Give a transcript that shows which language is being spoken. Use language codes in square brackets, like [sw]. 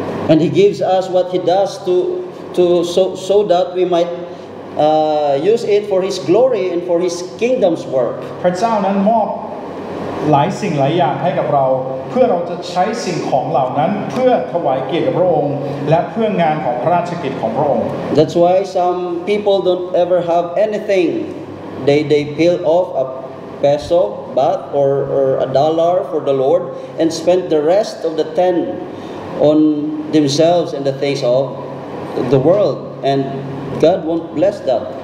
[en] And he gives us what he does to so that we mightuse it for his glory and for his kingdom's work [th] พระเจ้านั้นมอบหลายสิ่งหลายอย่างให้กับเราเพื่อเราจะใช้สิ่งของเหล่านั้นเพื่อถวายเกียรติพระองค์และเพื่องานของพระราชกิจของพระองค์ [en] That's why some people don't ever have anything they peel off a peso baht or a dollar for the Lord and spend the rest of the 10 on themselves and the things of the world andGod won't bless them.